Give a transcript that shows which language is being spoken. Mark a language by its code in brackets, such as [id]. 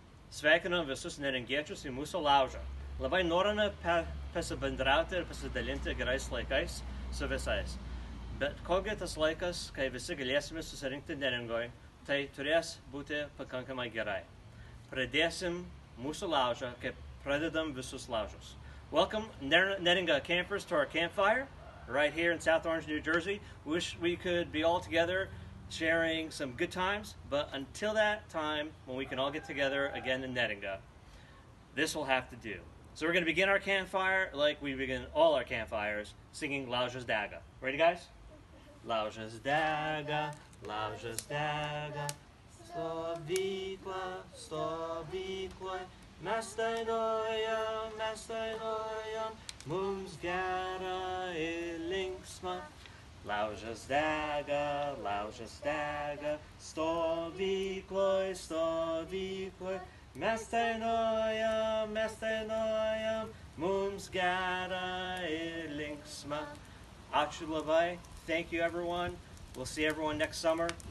[lt] Sveikinu visus neringiečius į mūsų laužą. Labai norime pasibendrauti ir pasidalinti gerais laikais su visais. Bet kogi tas laikas, kai visi galėsime susirinkti Neringoje, tai turės būti pakankamai gerai. Pradėsim mūsų laužą, kaip pradedam visus laužus. [en] Welcome Neringa campers to our campfire right here in South Orange, New Jersey. Wish we could be all together sharing some good times, but until that time when we can all get together again in Neringa, this will have to do. So we're going to begin our campfire like we begin all our campfires, singing Laujas Daga. Ready, guys? [lt] Laujas Daga, Laujas Daga, Stovykla, Stovykla, mes dainuojam, mes dainuojam, mums gera ir linksma. Laužas dega, laužas dega, stovykloj, stovykloj, mes dainuojam, mes dainuojam, mums gera ir linksma. Ačiū labai, [en] thank you everyone, we'll see everyone next summer.